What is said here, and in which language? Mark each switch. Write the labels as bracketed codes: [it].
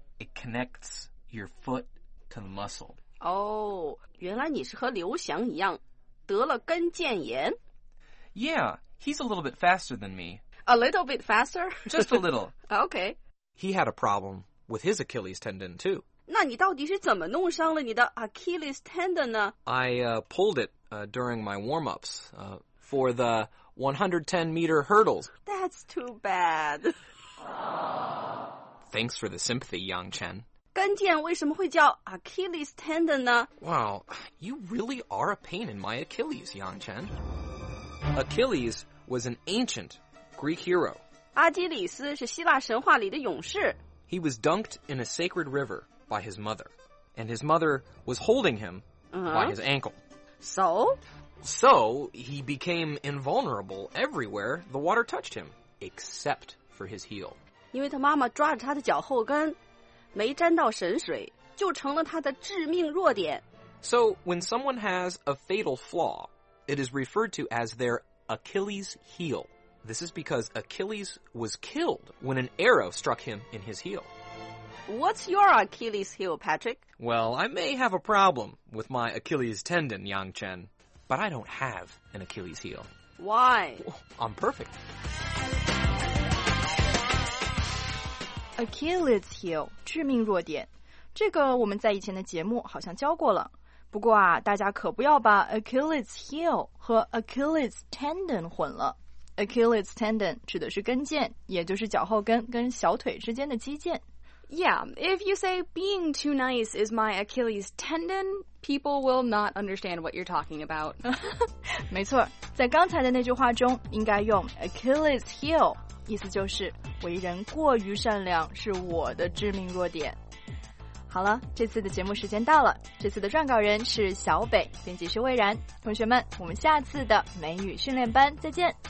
[en] It connects your foot to the muscle. [zh] Oh, 原来你是和刘翔一样得了跟腱炎。 [en] Yeah, he's a little bit faster than me. A little bit faster? Just a little. Okay. He had a problem with his Achilles tendon, too. [zh] 那你到底是怎么弄伤了你的 Achilles tendon 呢? [en] I pulled it during my warm-ups for the 110-meter hurdles. That's too bad. Thanks for the sympathy, Yang Chen. [zh] 跟腱为什么会叫 Achilles tendon 呢? [en] Wow, you really are a pain in my Achilles, Yang Chen. Achilles was an ancient Greek hero. [zh] 阿基里斯是希腊神话里的勇士。 [en] He was dunked in a sacred river by his mother, and his mother was holding him、by his ankle. So? So, he became invulnerable everywhere the water touched him, except for his heel. [zh] 因为他妈妈抓着他的脚后跟，没沾到神水，就成了他的致命弱点。 [en] So, when someone has a fatal flaw, it is referred to as their Achilles heel. This is because Achilles was killed when an arrow struck him in his heel. What's your Achilles heel, Patrick? Well, I may have a problem with my Achilles tendon, Yang Chen, but I don't have an Achilles heel. Why? I'm perfect. [zh] Achilles heel, 致命弱点。这个我们在以前的节目好像教过了。不过啊，大家可不要把 Achilles heel 和 Achilles tendon 混了。 Achilles tendon 指的是跟腱，也就是脚后跟跟小腿之间的肌腱。 [en] Yeah, if you say being too nice is my Achilles tendon, people will not understand what you're talking about. [zh] 没错，在刚才的那句话中，应该用 Achilles heel， 意思就是为人过于善良是我的致命弱点。好了，这次的节目时间到了。这次的撰稿人是小北，编辑是魏然。同学们，我们下次的美语训练班再见。